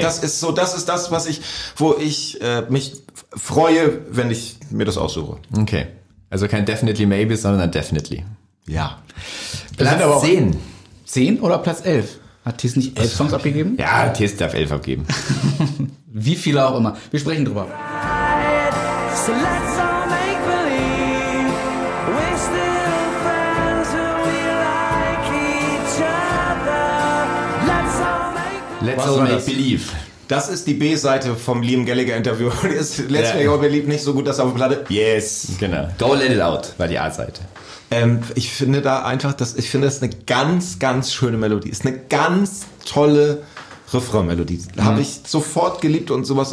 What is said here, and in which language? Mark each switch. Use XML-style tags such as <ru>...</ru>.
<de>Das ist das, was ich, wo ich mich freue, wenn ich mir das aussuche. Okay. Also kein definitely maybe, sondern definitely. Ja. Platz 10. 10 oder Platz 11? Hat Thies nicht 11 Songs abgegeben? Ja, Thies darf 11 abgeben. Wie viele auch immer. Wir sprechen drüber.</de> <en>So let's all make believe we're still friends and we like each other. Let's all make believe. Let's all make believe.</en> <de>Das ist die B-Seite vom Liam Gallagher Interview. Let's make all believe nicht so gut, dass auf der Platte. Yes. Genau. Go let it out war die A-Seite. Ich finde da einfach, das ist eine ganz, ganz schöne Melodie. Ist eine ganz tolle Refrain-Melodie. Habe ich sofort geliebt und sowas.</de>